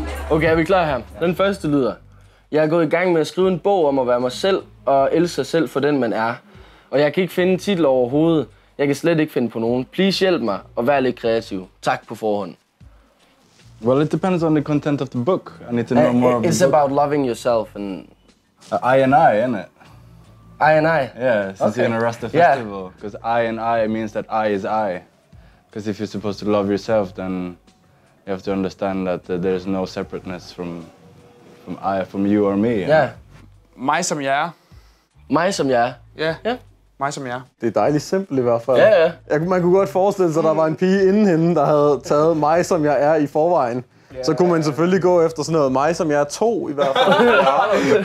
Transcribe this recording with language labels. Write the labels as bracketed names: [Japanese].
[Danish] Okay, er vi klar her? Den første lyder. Jeg er gået i gang med at skrive en bog om at være mig selv og elske sig selv for den, man er. Og jeg kan ikke finde en titel overhovedet. Jeg kan slet ikke finde på nogen. Please hjælp mig og vær lidt kreativ. Tak på forhånd. [English] Well, it depends on the content of the book. I need to know more of it. It's about loving yourself and... I, isn't it? I. Yeah, since you're in a Rasta festival. Because I means that I is I. Because if you're supposed to love yourself, then you have to understand that there's no separateness from I, from you or me. Yeah. [Danish] Mig som jeg er. Mig som jeg er. Ja. Mig som jeg. Det er dejligt simpelt i hvert fald. Ja, ja. Man kunne godt forestille sig, at der var en pige inden hende, der havde taget mig som jeg er i forvejen. Yeah. Så kunne man selvfølgelig gå efter sådan noget mig som jeg er 2 i hvert fald.